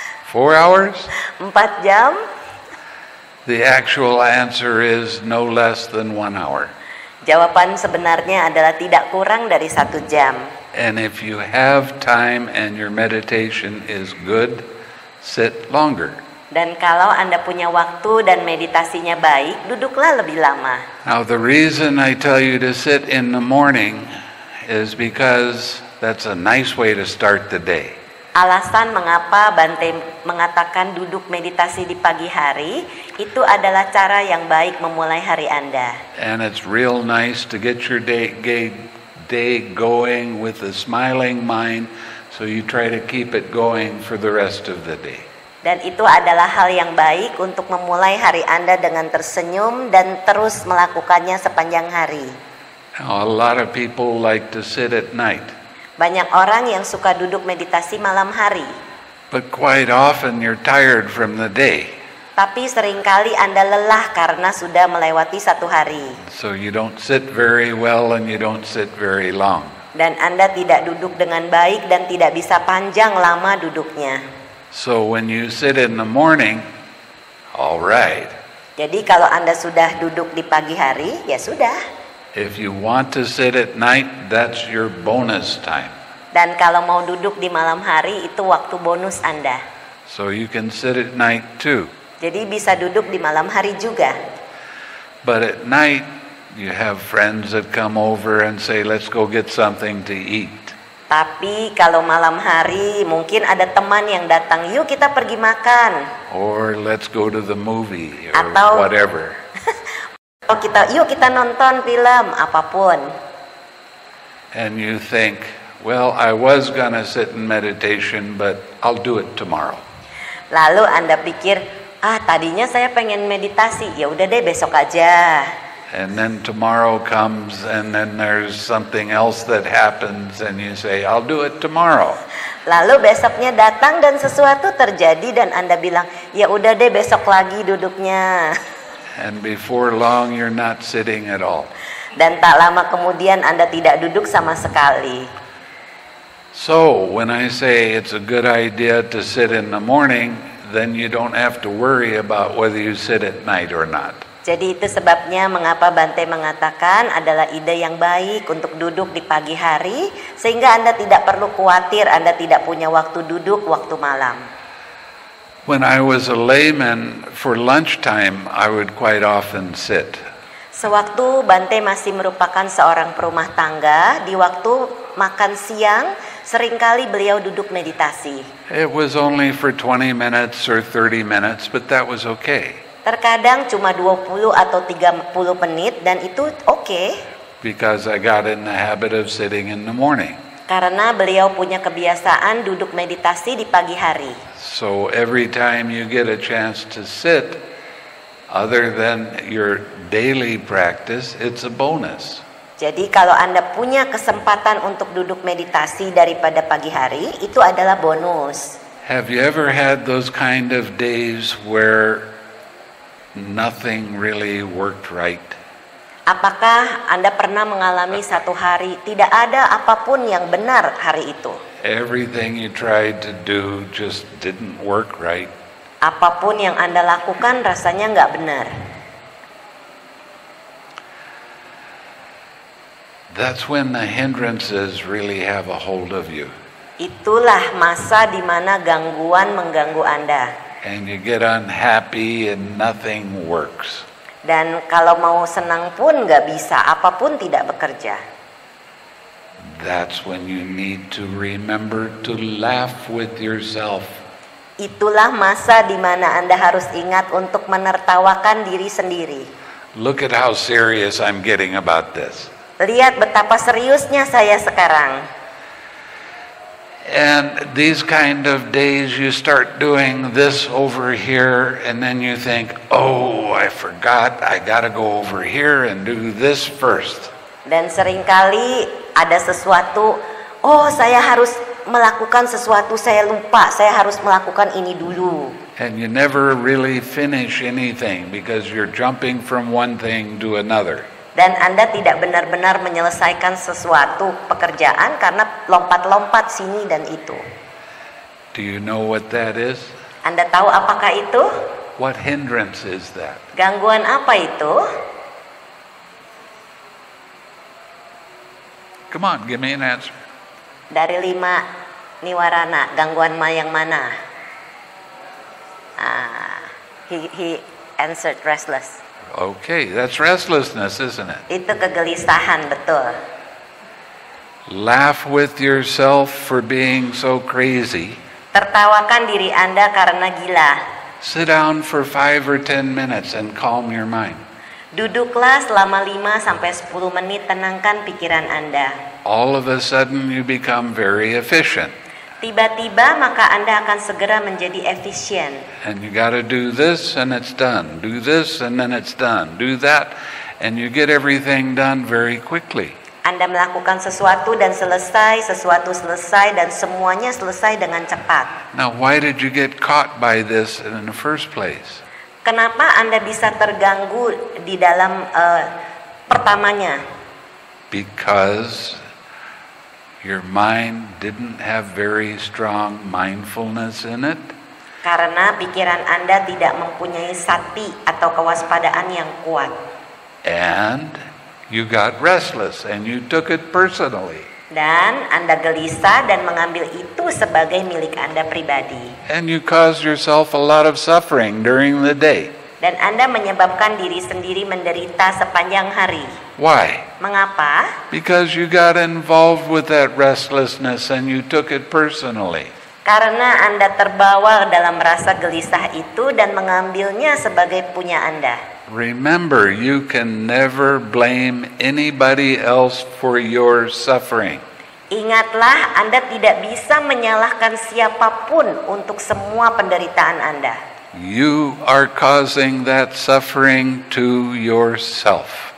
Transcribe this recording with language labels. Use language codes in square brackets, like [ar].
[en] 4 hours? [id] 4 jam. [en] The actual answer is no less than 1 hour. [id] Jawaban sebenarnya adalah tidak kurang dari 1 jam. [en] And if you have time and your meditation is good, sit longer. [id] Dan kalau Anda punya waktu dan meditasinya baik, duduklah lebih lama. [en] Now the reason I tell you to sit in the morning is because that's a nice way to start the day. [id] Alasan mengapa Bante mengatakan duduk meditasi di pagi hari, itu adalah cara yang baik memulai hari Anda. [en] And it's real nice to get your day going with a smiling mind, so you try to keep it going for the rest of the day. [id] Dan itu adalah hal yang baik untuk memulai hari Anda dengan tersenyum dan terus melakukannya sepanjang hari. [en] A lot of people like to sit at night. [id] Banyak orang yang suka duduk meditasi malam hari. [en] But quite often you're tired from the day. [id] Tapi seringkali Anda lelah karena sudah melewati satu hari. [en] So you don't sit very well and you don't sit very long. [id] Dan Anda tidak duduk dengan baik dan tidak bisa panjang lama duduknya. [en] So when you sit in the morning, all right. [id] Jadi kalau Anda sudah duduk di pagi hari, ya sudah. [en] If you want to sit at night, that's your bonus time. [id] Dan kalau mau duduk di malam hari, itu waktu bonus Anda. [en] So you can sit at night too. [id] Jadi bisa duduk di malam hari juga. [en] But at night, you have friends that come over and say, let's go get something to eat. [id] Tapi kalau malam hari, mungkin ada teman yang datang, yuk kita pergi makan. [en] Or let's go to the movie, or [id] atau, [en] whatever. [id] Atau kita, yuk kita nonton film, apapun. [en] And you think, well, I was gonna sit in meditation, but I'll do it tomorrow. [id] Lalu Anda pikir, ah tadinya saya pengen meditasi, ya udah deh besok aja. [en] And then tomorrow comes, and then there's something else that happens, and you say, I'll do it tomorrow. [id] Lalu besoknya datang dan sesuatu terjadi dan Anda bilang, ya udah deh besok lagi duduknya. [en] And before long, you're not sitting at all. [id] Dan tak lama kemudian Anda tidak duduk sama sekali. [en] So when I say it's a good idea to sit in the morning, then you don't have to worry about whether you sit at night or not. [id] Jadi itu sebabnya mengapa Bante mengatakan adalah ide yang baik untuk duduk di pagi hari, sehingga Anda tidak perlu khawatir Anda tidak punya waktu duduk waktu malam. [en] When I was a layman, for lunchtime I would quite often sit. [id] Sewaktu Bante masih merupakan seorang perumah tangga, di waktu makan siang seringkali beliau duduk meditasi. [en] It was only for 20 minutes or 30 minutes, but that was okay. [id] Terkadang cuma 20 atau 30 menit dan itu okay. [en] Because I got in the habit of sitting in the morning. [id] Karena beliau punya kebiasaan duduk meditasi di pagi hari. [en] So every time you get a chance to sit, other than your daily practice, it's a bonus. [id] Jadi kalau Anda punya kesempatan untuk duduk meditasi daripada pagi hari, itu adalah bonus. [en] Have you ever had those kind of days where nothing really worked right? [id] Apakah Anda pernah mengalami satu hari tidak ada apapun yang benar hari itu? [en] Everything you tried to do just didn't work right. [id] Apapun yang Anda lakukan rasanya enggak benar. [en] That's when the hindrances really have a hold of you. [id] Itulah masa di mana gangguan mengganggu Anda. [en] And you get unhappy and nothing works. [id] Dan kalau mau senang pun enggak bisa, apapun tidak bekerja. [en] That's when you need to remember to laugh with yourself. [id] Itulah masa di mana Anda harus ingat untuk menertawakan diri sendiri. [en] Look at how serious I'm getting about this. [id] Lihat betapa seriusnya saya sekarang. [en] And these kind of days you start doing this over here and then you think, oh, I forgot, I gotta go over here and do this first. [id] Dan seringkali ada sesuatu, oh, saya harus melakukan sesuatu, saya lupa, saya harus melakukan ini dulu. [en] And you never really finish anything because you're jumping from one thing to another. [id] Dan Anda tidak benar-benar menyelesaikan sesuatu pekerjaan karena lompat-lompat sini dan itu. [en] Do you know what that is? [id] Anda tahu apakah itu? [en] What hindrance is that? [id] Gangguan apa itu? [en] Come on, give me an answer. [id] Dari lima niwarana, gangguan yang mana? [en] He answered restless. Okay, that's restlessness, isn't it? [id] Itu kegelisahan, betul. [en] Laugh with yourself for being so crazy. [id] Tertawakan diri Anda karena gila. [en] Sit down for 5 or 10 minutes and calm your mind. [id] Duduklah selama 5 sampai 10 menit, tenangkan pikiran Anda. [en] All of a sudden you become very efficient. [id] Tiba-tiba maka Anda akan segera menjadi efisien. [en] And you gotta do this and it's done. Do this and then it's done. Do that and you get everything done very quickly. [id] Anda melakukan sesuatu dan selesai, sesuatu selesai dan semuanya selesai dengan cepat. [en] Now why did you get caught by this in the first place? [id] Kenapa Anda bisa terganggu di dalam pertamanya? [en] Because your mind didn't have very strong mindfulness in it. [id] Karena pikiran Anda tidak mempunyai sati atau kewaspadaan yang kuat. [en] And you got restless and you took it personally. [id] Dan Anda gelisah dan mengambil itu sebagai milik Anda pribadi. [en] And you caused yourself a lot of suffering during the day. [id] Dan Anda menyebabkan diri sendiri menderita sepanjang hari. [en] Why? [id] Mengapa? [en] Because you got involved with that restlessness and you took it personally. [id] Karena Anda terbawa dalam rasa gelisah itu dan mengambilnya sebagai punya Anda. [en] Remember, you can never blame anybody else for your suffering. [id] Ingatlah, Anda tidak bisa menyalahkan siapapun untuk semua penderitaan Anda. [en] You are causing that suffering to yourself.